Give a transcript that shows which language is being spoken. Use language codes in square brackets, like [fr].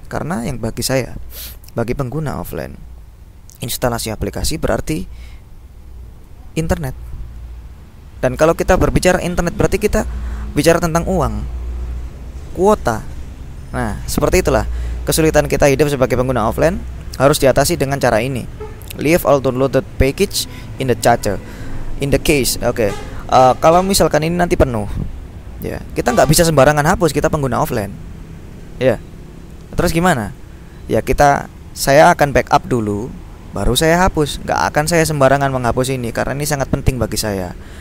[id] Karena yang bagi saya, bagi pengguna offline, instalasi aplikasi berarti internet. Dan kalau kita berbicara internet, berarti kita bicara tentang uang, kuota. Nah, seperti itulah kesulitan kita hidup sebagai pengguna offline, harus diatasi dengan cara ini. [en] Leave all downloaded package in the charger, in the case. [id] Oke. Kalau misalkan ini nanti penuh, ya kita nggak bisa sembarangan hapus, kita pengguna offline. Ya, terus gimana? Ya kita, saya akan backup dulu, baru saya hapus. Gak akan saya sembarangan menghapus ini, karena ini sangat penting bagi saya.